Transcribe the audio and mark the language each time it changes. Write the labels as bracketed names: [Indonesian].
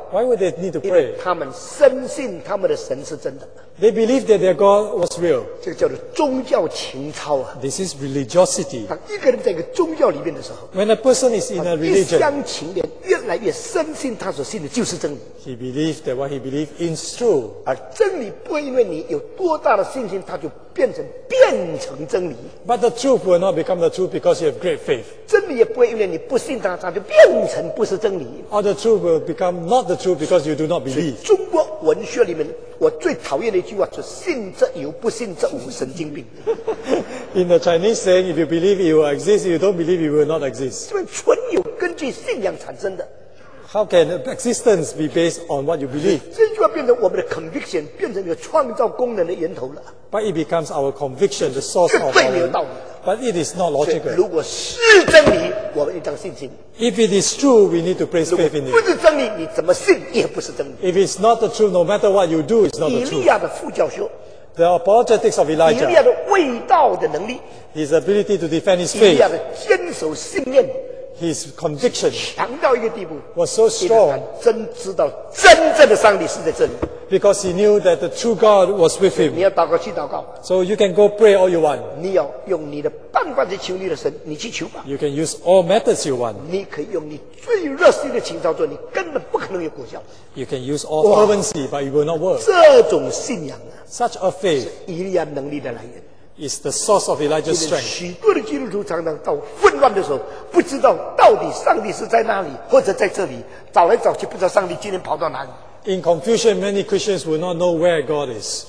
[English] Why would they need to pray? [Chinese] 因为他们深信他们的神是真的。 [English] They believed that their God was real. [Chinese] 这个叫做宗教情操啊。 [English] This is religiosity. [Chinese] 当一个人在一个宗教里面的时候， [English] When a person is in a religion, [Chinese] 一厢情愿，越来越深信他所信的就是真理。 [English] He believes that what he believes is true. [Chinese] 而真理不会因为你有多大的信心，他就变成真理。 [English] But the truth will not become the truth because you have great faith. [Chinese] 真理也不会因为你不信他，他就变成不是真理。 [English] Or the truth will become not the truth because you do not believe. [Chinese] 中国文学里面我最讨厌的一句话就是信则有，不信则无，神经病。 [English] In the Chinese saying, if you believe it will exist, if you don't believe it will not exist. [Chinese] 因为存有根据信仰产生的。 [English] How can existence be based on what you believe? [Chinese] 这句话变成我们的 conviction, 变成一个创造功能的源头了。 [English] But it becomes our conviction, the source of our faith. But it is not logical. [Chinese] 如果是真理，我们一定要信心。 [English] If it is true, we need to place faith in it. [Chinese] 不是真理，你怎么信也不是真理。 [English] If it's not the truth, no matter what you do, it's not the truth. [Chinese] 以利亚的副教授。 [English] The apologetics of Elijah. [Chinese] 以利亚的卫道的能力。 [English] His ability to defend his faith. [Chinese] 以利亚的坚守信念。 [English] His conviction [Chinese] 强到一个地步 [English] was so strong. [Chinese] 因为他真知道真正的上帝是在这里。 [English] Because he knew that the true God was with him. [Chinese] 你要祷告去祷告。 [English] So you can go pray all you want. [Chinese] 你要用你的办法去求你的神，你去求吧。 [English] You can use all methods you want. [Chinese] 你可以用你最热心的情操做，你根本不可能有果效。 [English] You can use all fervency, but it will not work. [Chinese] 这种信仰啊 [English] ，such a faith [Chinese] 是以利亚能力的来源。 [English] Is the source of Elijah's strength. [Chinese] 许多的基督徒常常到混乱的时候，不知道到底上帝是在哪里或者在这里，找来找去不知道上帝今天跑到哪里。 [English] In confusion, many Christians will not know where God is.